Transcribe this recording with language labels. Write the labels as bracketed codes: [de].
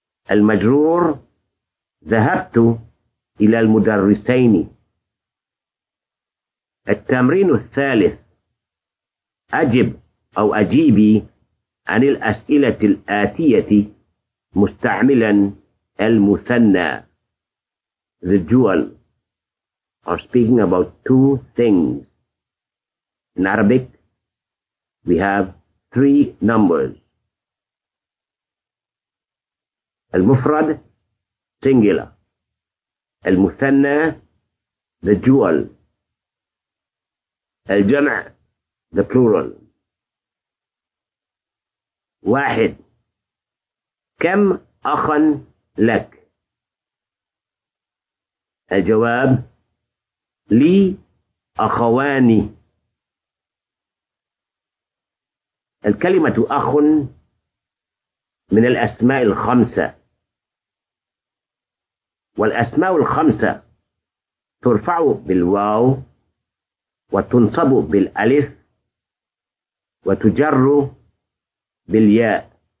[ar] المجرور ذهبت إلى المدرسين. التمرين الثالث أجب أو أجيبي عن الأسئلة الآتية مستعملا المثنى. [en] The dual or speaking about two things. In Arabic we have three numbers. المفرد singular. المثنى the dual. الجمع the plural. [ar] واحد كم أخا لك؟ الجواب لي أخوان. الكلمة أخ من الأسماء الخمسة، والأسماء الخمسة ترفع بالواو وتنصب بالألف وتجر بالياء.